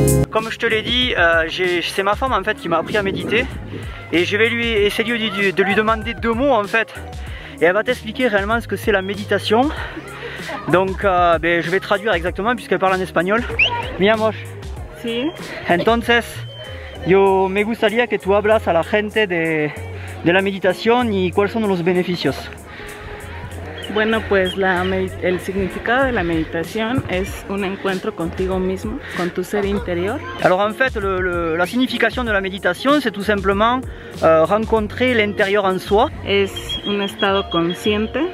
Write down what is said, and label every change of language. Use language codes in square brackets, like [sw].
[fr] Comme je te l'ai dit, c'est ma femme en fait qui m'a appris à méditer, et je vais essayer de lui demander deux mots en fait, et elle va t'expliquer réellement ce que c'est la méditation. Donc je vais traduire exactement puisqu'elle parle en espagnol. [es] Mi amor. Sí. Entonces, yo me gustaría que tú hablas a la gente de la meditación y cuáles son los beneficios. Bueno, pues el significado de la meditación es un encuentro contigo mismo, con tu ser interior. [fr] Alors en fait, la signification de la méditation, c'est tout simplement rencontrer l'intérieur en soi. [es] Es un estado consciente.